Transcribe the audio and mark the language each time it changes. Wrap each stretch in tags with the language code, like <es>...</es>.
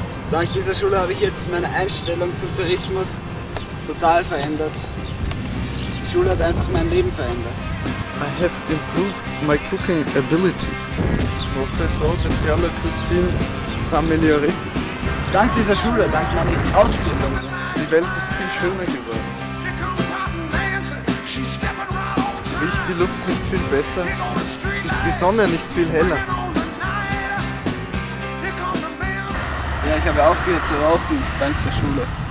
<de>Dank dieser Schule habe ich jetzt meine Einstellung zum Tourismus total verändert. Die Schule hat einfach mein Leben verändert.</de> <en>I have improved my cooking abilities. Professor de Perle Cuisine Saint-Méniori.</en> <de>Dank dieser Schule, dank meiner Ausbildung. Die Welt ist viel schöner geworden. Riecht die Luft nicht viel besser? Ist die Sonne nicht viel heller? Ja, ich habe aufgehört zu rauchen, dank der Schule.</de>